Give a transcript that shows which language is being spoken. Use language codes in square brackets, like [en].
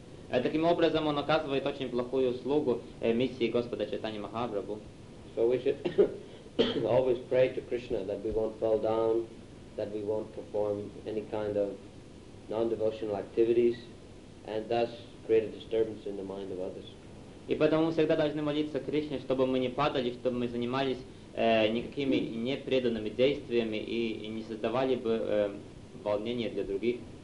[ru] Таким образом, он оказывает очень плохую услугу миссии Господа Чайтаньи Махапрабху. [en] So we should always pray to Krishna that we won't fall down, that we won't perform any kind of non-devotional activities, and thus create a disturbance in the mind of others. [ru] И поэтому мы всегда должны молиться Кришне, чтобы мы не падали, чтобы мы занимались никакими непреданными действиями и не создавали бы волнения для других.